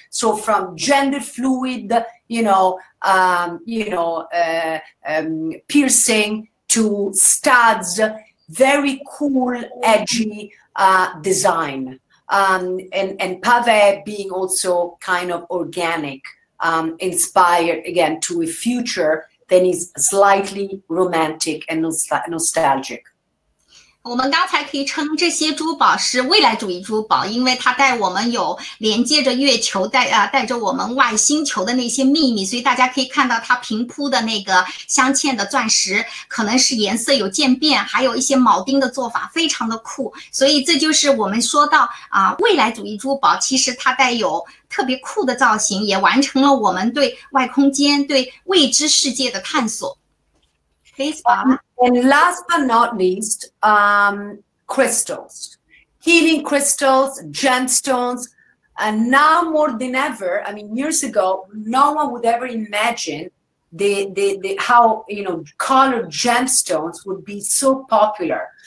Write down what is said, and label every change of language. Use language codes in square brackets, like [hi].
[en] So from gender fluid, piercing to studs, very cool, edgy design. And Pave being also kind of organic, inspired again to a future that is slightly romantic and nostalgic. [zh] 我们刚才可以称这些珠宝是未来主义珠宝，因为它带我们有连接着月球，带着我们外星球的那些秘密，所以大家可以看到它平铺的那个镶嵌的钻石，可能是颜色有渐变，还有一些铆钉的做法，非常的酷。所以这就是我们说到啊，未来主义珠宝其实它带有特别酷的造型，也完成了我们对外空间、对未知世界的探索。 [en] And last but not least, crystals, healing crystals, gemstones, and now more than ever, I mean, years ago, no one would ever imagine how, you know, colored gemstones would be so popular.